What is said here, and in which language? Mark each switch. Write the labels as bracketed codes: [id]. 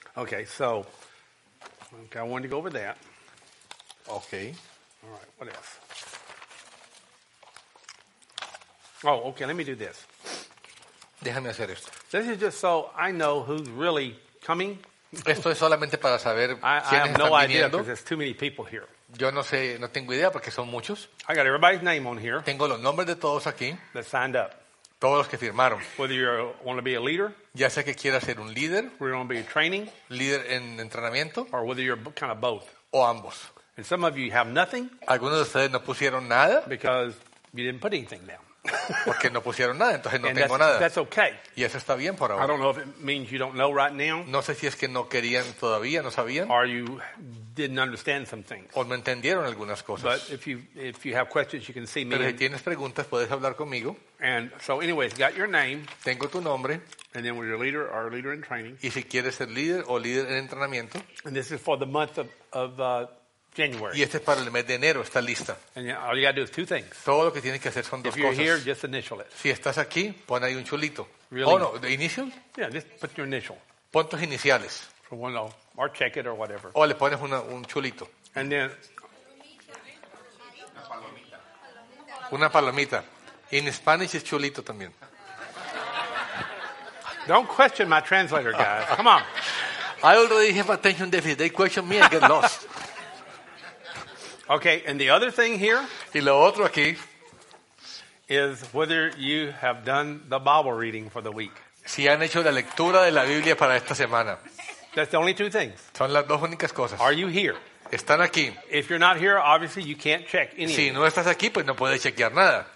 [en] Okay, so. Okay, I wanted to go over that. Okay. All right, what else? Oh, okay, let me do this. [es] Déjame hacer esto. [en] This is just so I know who's really coming. [es] Esto es solamente para saber quiénes están viniendo. [en] There's too many people here. [es] Yo no sé, no tengo idea porque son muchos. [en] I got everybody's name on here. [es] Tengo los nombres de todos aquí. [en] That signed up. [es] Todos los que firmaron. [en] Whether you want to be a leader. [es] Ya sea que quieras ser un líder. [en] Or you want to be a training. [es] Líder en entrenamiento. [en] Or whether you're kind of both. [es] O ambos. [en] And some of you have nothing. [es] Algunos de ustedes no pusieron nada. [en] Because you didn't put anything down. [es] Porque no pusieron nada, entonces no [en] and [es] tengo [en] that's, [es] nada. [en] That's okay. [es] Y eso está bien por ahora. [en] I don't know if it means you don't know right now. [es] No sé si es que no querían todavía, no sabían. [en] Or you didn't understand some things. [es] O no entendieron algunas cosas. [en] But if you have questions, you can see me. [es] Pero si tienes preguntas, puedes hablar conmigo. [en] And so anyways, got your name. [es] Tengo tu nombre. [en] And then we're your leader or leader in training. [es] Y si quieres ser líder o líder en entrenamiento. [en] And this is for the month of January. [es] Y este es para el mes de enero, está lista. [en] And all you got to do is two things. [es] Todo lo que tienes que hacer son dos cosas. [en] If you're here, just initial it. [es] Si estás aquí, pon ahí un chulito. [en] Really? Oh, no, the initial? Yeah, just put your initial. [es] Pon tus iniciales. [en] For one, or check it or whatever. [es] O le pones un chulito. [en] And then... [es] Una palomita. [en] In Spanish, it's [es] chulito también. [en] Don't question my translator, guys. Come on. I already have attention deficit. They question me, I get lost. Okay, and the other thing here [es] y lo otro aquí, [en] is whether you have done the Bible reading for the week. [es] Si han hecho la lectura de la Biblia para esta semana. [en] That's the only two things. [es] Son las dos únicas cosas. [en] Are you here? [es] Están aquí. [en] If you're not here, obviously you can't check anything. [es] Si no estás aquí, pues no puedes chequear nada.